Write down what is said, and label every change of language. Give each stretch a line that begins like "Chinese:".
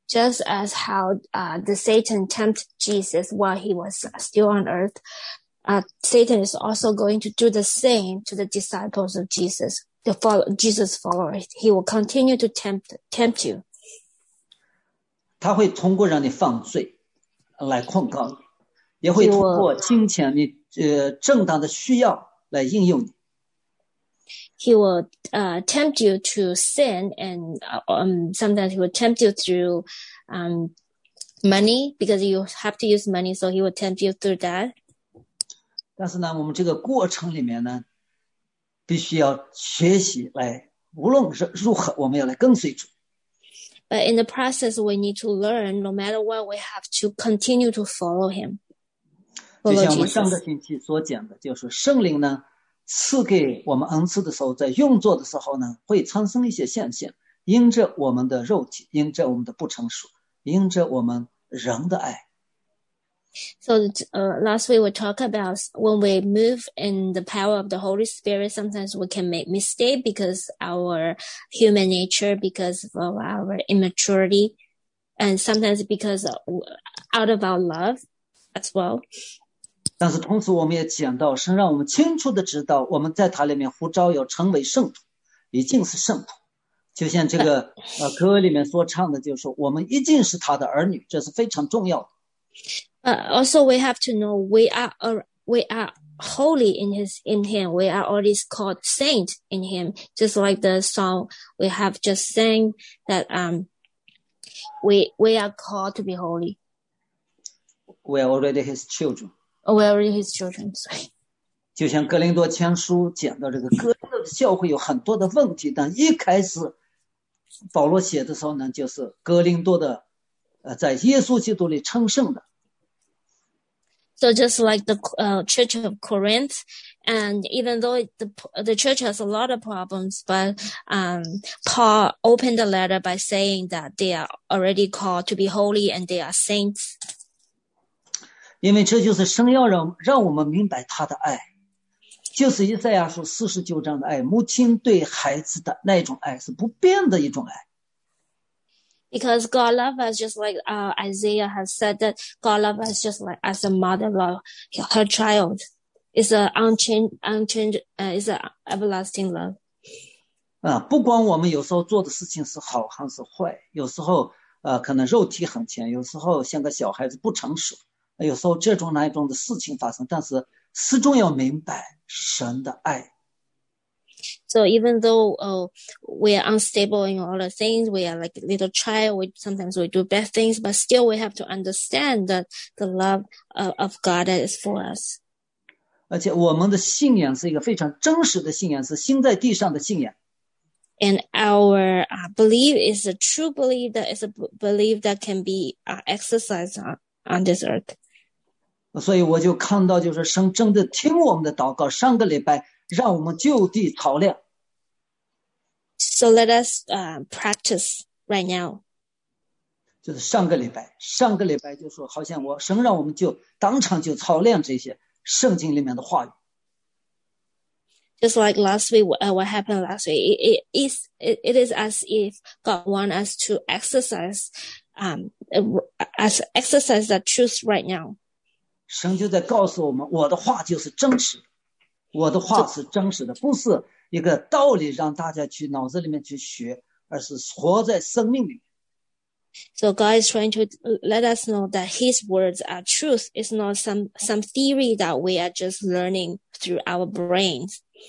English: Just as Satan tempted Jesus while he was still on earth, Satan is also going to do the same to the disciples of Jesus, Jesus' followers. He will continue to tempt you.
Chinese: 他会通过让你犯罪来控告你，也会通过金钱你正当的需要来应用你。
English: He will tempt you to sin, and sometimes he will tempt you through money, because you have to use money, so he will tempt you through that.
Chinese: 但是呢，我们这个过程里面呢，必须要学习来，无论是如何，我们要来跟随主。
English: But in the process, we need to learn, no matter what, we have to continue to follow him. Follow
Chinese: 就像我们上个星期所讲的，就是圣灵呢，赐给我们恩赐的时候，在用作的时候呢，会产生一些现象，因着我们的肉体，因着我们的不成熟，因着我们人的爱。
English: So, last week we talked about when we move in the power of the Holy Spirit, sometimes we can make mistakes because our human nature, because of our immaturity, and sometimes because out of our love as well.
Chinese: 但是同时我们也讲到，神让我们清楚的知道，我们在他里面呼召要成为圣徒，已经是圣徒。就像这个歌里面所唱的，就是我们已经是他的儿女，这是非常重要的。
English: Also, we have to know we are holy in him. We are already called saint in him. Just like the song we have just sang that we are called to be holy. We are already his children. We are his children. Sorry.
Chinese: 就像哥林多前书讲到这个哥林多的教会有很多的问题，但一开始保罗写的时候呢，就是哥林多的，在耶稣基督里称圣的。
English: So just like the Church of Corinth, and even though the church has a lot of problems, but Paul opened the letter by saying that they are already called to be holy and they are saints.
Chinese: 因为这就是神要让我们明白他的爱，就是以赛亚书49章的爱，母亲对孩子的那种爱是不变的一种爱。
English: Because God loves us just like Isaiah has said that God loves us just like as a mother loves her child. It's an unchanged, everlasting love.
Chinese: 不管我们有时候做的事情是好还是坏，有时候可能肉体很强，有时候像个小孩子不成熟。有时候这种那种的事情发生，但是始终要明白神的爱。
English: So even though we are unstable in all the things, we are like a little child. We sometimes we do bad things, but still we have to understand that the love of God is for us.
Chinese: 而且我们的信仰是一个非常真实的信仰，是心在地上的信仰。
English: And our belief is a true belief that is a belief that can be exercised on this earth.
Chinese: 所以我就看到，就是神真的听我们的祷告。上个礼拜让我们就地操练。
English: So let us practice right now.
Chinese: 就是上个礼拜就说，好像我神让我们就当场就操练这些圣经里面的话语。
English: Just like last week, what happened last week? It is as if God wants us to exercise, as exercise that truth right now.
Chinese: 神就在告诉我们，我的话就是真实，我的话是真实的，不是一个道理让大家去脑子里面去学，而是活在生命里面。
English: So God is trying to let us know that His words are truth. It's not some theory that we are just learning through our brains.